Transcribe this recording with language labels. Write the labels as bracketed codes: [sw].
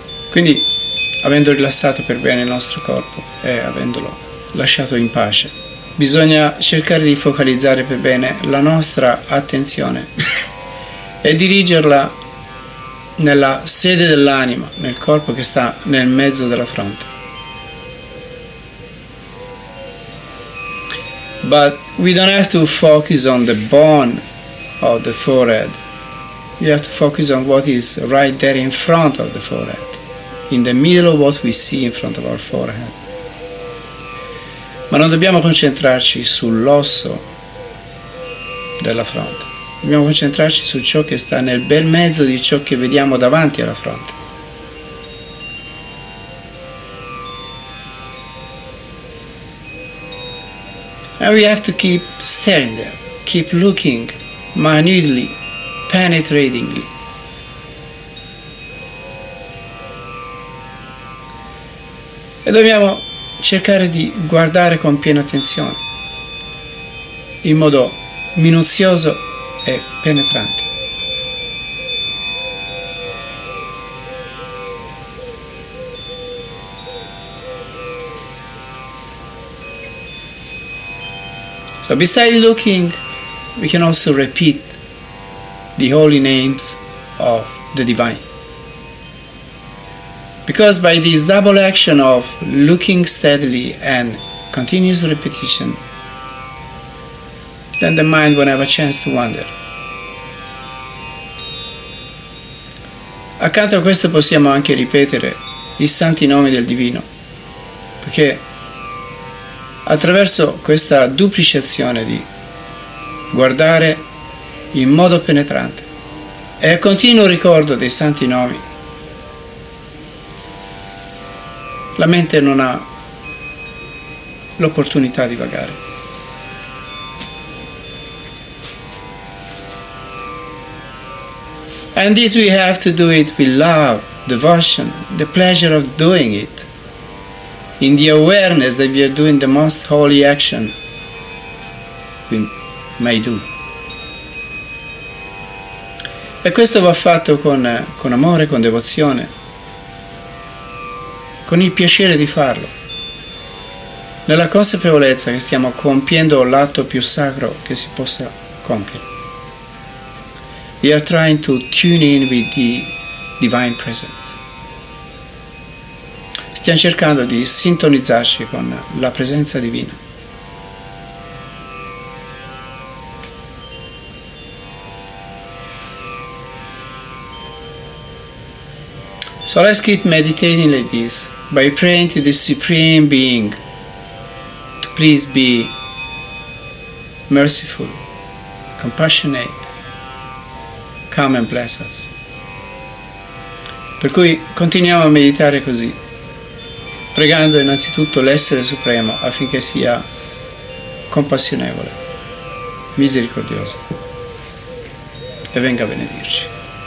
[it] Quindi, avendo rilassato per bene il nostro corpo e avendolo lasciato in pace, bisogna cercare di focalizzare per bene la nostra attenzione e dirigerla nella sede dell'anima, nel corpo che sta nel mezzo della fronte. [en] But we don't have to focus on the bone of the forehead. We have to focus on what is right there in front of the forehead, in the middle of what we see in front of our forehead. [it] Ma non dobbiamo concentrarci sull'osso della fronte. Dobbiamo concentrarci su ciò che sta nel bel mezzo di ciò che vediamo davanti alla fronte. [en] And we have to keep staring there, keep looking minutely, penetratingly. [it] E dobbiamo cercare di guardare con piena attenzione, in modo minuzioso e penetrante. [en] So besides looking, we can also repeat the holy names of the divine. Because by this double action of looking steadily and continuous repetition, then the mind won't have a chance to wander. [it] Accanto a questo possiamo anche ripetere i santi nomi del divino, perché attraverso questa duplice azione di guardare in modo penetrante e a continuo ricordo dei santi nomi, la mente non ha l'opportunità di vagare. [en] And this we have to do it with love, devotion, the pleasure of doing it, in the awareness that we are doing the most holy action we may do. [it] E questo va fatto con amore, con devozione, con il piacere di farlo, nella consapevolezza che stiamo compiendo l'atto più sacro che si possa compiere. [en] We are trying to tune in with the divine presence. [it] Stiamo cercando di sintonizzarci con la presenza divina. [en] So let's keep meditating like this, by praying to the Supreme Being to please be merciful, compassionate, come and bless us. [it] Per cui continuiamo a meditare così, pregando innanzitutto l'Essere Supremo affinché sia compassionevole, misericordioso e venga a benedirci.